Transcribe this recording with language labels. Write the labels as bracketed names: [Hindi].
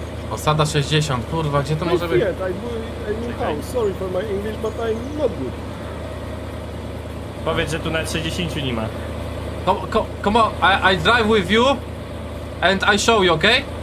[Polish] Osada 60, kurwa, gdzie to może być? Nie, [English] I do a new house. Sorry for my English, but I'm not good. [Polish] Powiedz, że tu nawet 60 nie ma. [English] Come on, I drive with you and I show you, okay?